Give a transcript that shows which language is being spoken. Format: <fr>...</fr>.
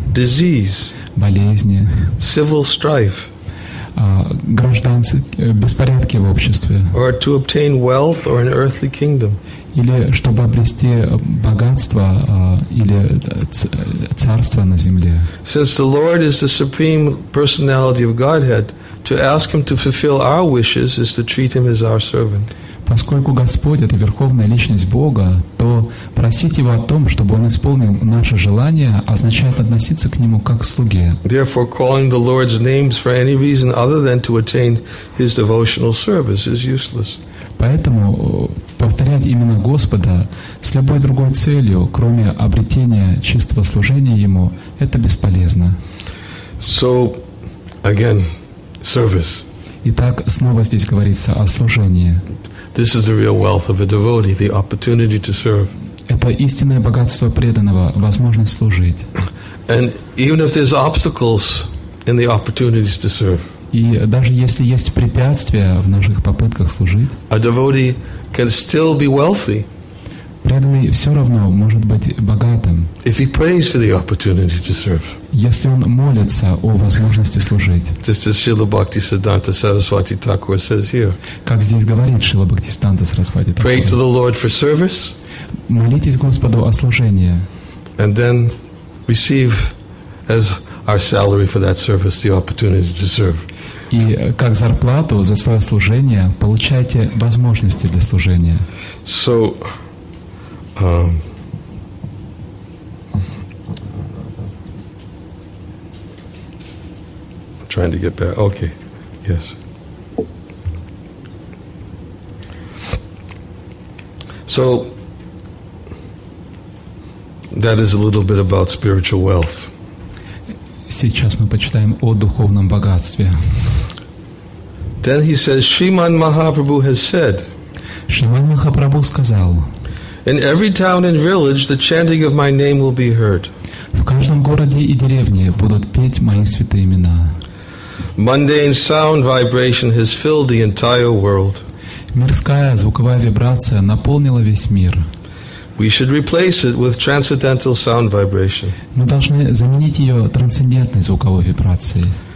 <en>Disease.</en> <ru>Болезни.</ru> <en>Civil strife.</en> <ru>Беспорядки в обществе.</ru> <en>Or to obtain wealth or an earthly kingdom.</en> <ru>Или чтобы обрести богатство или царство на земле.</ru> <en>Since the Lord is the supreme personality of Godhead, to ask Him to fulfill our wishes is to treat Him as our servant.</en> <ru>Поскольку Господь — это верховная личность Бога, то просить Его о том, чтобы Он исполнил наше желание, означает относиться к Нему как к слуге.</ru> <en>Therefore, calling the Lord's names for any reason other than to attain His devotional service is useless.</en> <ru>Поэтому повторять имена Господа с любой другой целью, кроме обретения чистого служения Ему, это бесполезно.</ru> <en>So, again, service.</en> <ru>Итак, снова здесь говорится о служении.</ru> <en>This is the real wealth of a devotee, the opportunity to serve.</en> <ru>Это истинное богатство преданного, возможность служить.</ru> <en>And even if there's obstacles in the opportunities to serve.</en> <ru>И даже если есть препятствия в наших попытках служить,</ru> <en>a devotee can still be wealthy.</en> <ru>Преданный все равно может быть богатым.</ru> <en>If he prays for the opportunity to serve.</en> <ru>Если он молится о возможности служить.</ru> <en>Just as Srila Bhaktisiddhanta Saraswati Thakur says here.</en> <ru>Как здесь говорит Шрила Бхактисиддханта Сарасвати Такур.</ru> <en>Pray to the Lord for service.</en> <ru>Молитесь Господу о служении.</ru> <en>And then receive as our salary for that service the opportunity to serve.</en> <ru>И как зарплату за свое служение получайте возможности для служения.</ru> <en>So, I'm trying to get back. Okay, yes. So that is a little bit about spiritual wealth.</en> <ru>Сейчас мы почитаем о духовном богатстве.</ru> <en>Then he says, Shriman Mahaprabhu has said.</en> <ru>Шриман Махапрабху сказал.</ru> <en>In every town and village, the chanting of my name will be heard.</en> <ru>В каждом городе и деревне будут петь мои святые имена.</ru> <en>Mundane sound vibration has filled the entire world.</en> <ru>Мирская звуковая вибрация наполнила весь мир.</ru> <en>We should replace it with transcendental sound vibration.</en> <ru>Мы должны заменить ее трансцендентной звуковой вибрацией.</ru>